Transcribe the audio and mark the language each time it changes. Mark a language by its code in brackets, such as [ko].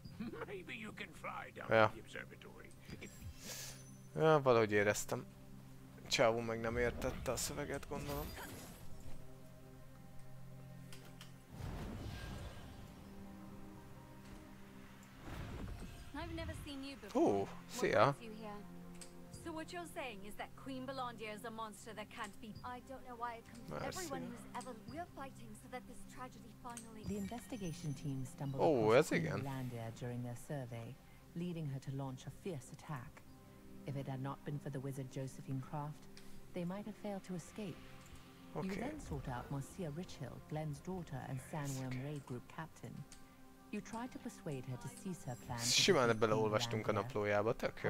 [en] Maybe you can fly down to the observatory. [hu] Ja, valahogy éreztem. Csávó meg nem értette a szöveget, gondolom. [en] I've never seen you before. [hu] Szia. [en] So what you're saying is that Queen Belandia is a monster that can't be. I don't know why it comes to everyone who's ever. We're fighting so that this tragedy finally. The investigation team stumbled across Queen Belandia during their survey, leading her to launch a fierce attack. If it had not been for the wizard Josephine Croft, they might have failed to escape. Okay. You then sought out Marcia Richhill, Glenn's daughter, and Sandworm Raid Group captain. You tried to persuade her to cease her plan. [hu] Simán beleolvastunk a naplójába, tök jó.